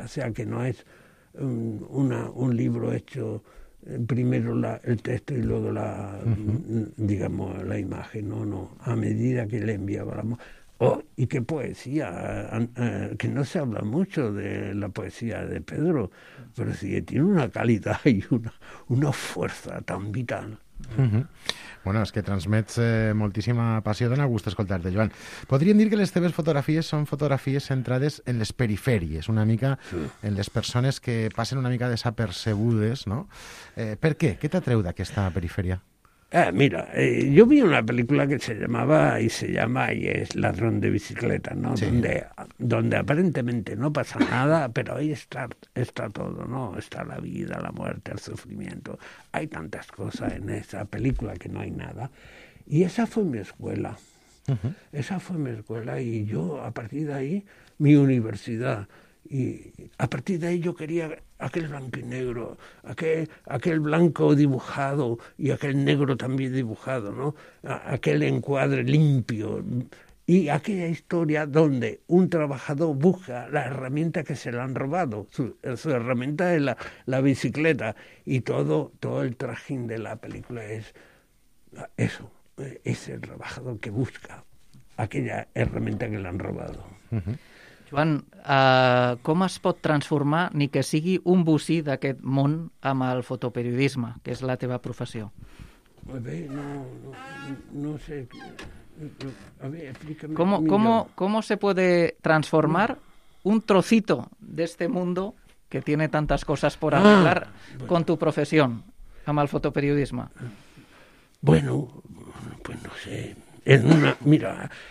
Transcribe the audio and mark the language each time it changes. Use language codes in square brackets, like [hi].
[es] O sea que no es un libro hecho primero el texto y luego la digamos la imagen, no, a medida que le enviábamos. Oh, y qué poesía, que no se habla mucho de la poesía de Pedro, pero sí que tiene una calidad y una fuerza tan vital. [ca] Bueno, és que transmets moltíssima passió, dona gust escoltar-te, Joan. Podríem dir que les teves fotografies són fotografies centrades en les perifèries, una mica en les persones que passen una mica desapercebudes, no? Per què? Què t'atreu d'aquesta perifèria? [es] Yo vi una película que se llamaba y se llama y es Ladrón de bicicleta, ¿no? Sí. Donde aparentemente no pasa nada, pero ahí está todo, ¿no? Está la vida, la muerte, el sufrimiento. Hay tantas cosas en esa película que no hay nada. Y esa fue mi escuela. Esa fue mi escuela y yo, a partir de ahí, mi universidad. Y a partir de ahí yo quería aquel blanco y negro, aquel blanco dibujado y aquel negro también dibujado, ¿no? Aquel encuadre limpio y aquella historia donde un trabajador busca la herramienta que se le han robado, su herramienta es la bicicleta y todo el trajín de la película es eso, es el trabajador que busca aquella herramienta que le han robado. [ca] Joan, com es pot transformar, ni que sigui un bocí d'aquest món, amb el fotoperiodisme, que és la teva professió? [es] Bé, no sé... A ver, explícame... ¿Cómo se puede transformar un trocito de este mundo que tiene tantas cosas por hablar con tu profesión, [ca] amb el fotoperiodisme? [es] Bueno, pues no sé... En una, mira...